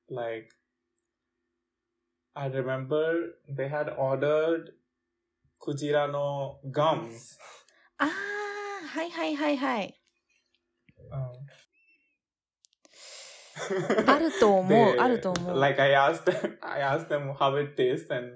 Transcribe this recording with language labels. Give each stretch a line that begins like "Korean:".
English: like I remember they had ordered クジラの gums。
Japanese: あー、はいはいはいはい、あると思う、あると思う。
English: Like I asked them how it tastes and、